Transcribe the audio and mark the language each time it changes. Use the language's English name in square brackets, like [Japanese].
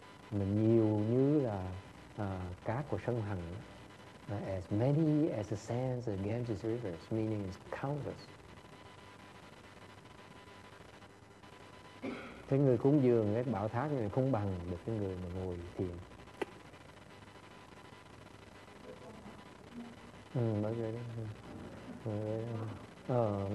[Vietnamese] Mình nhiều như là cát của sông Hằng. [English] As many as the sands of Ganges rivers, meaning it's countless. [Vietnamese] Thế người cúng dường cái bảo tháp này không bằng được cái người mà ngồi thiền.